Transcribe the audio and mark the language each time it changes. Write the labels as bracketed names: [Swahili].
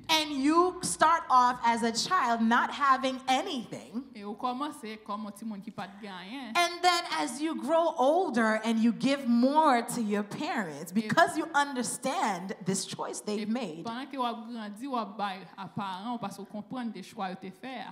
[English] And you start off as a child not having anything. [Haitian Creole] Et vous commencez comme un petit monde qui pas de rien. [English] And then as you grow older and you give more to your parents because you understand this choice they've made. [Haitian Creole] Pendant que vous grandissez, vous baillez à parents parce que vous comprenez des choix que vous avez fait.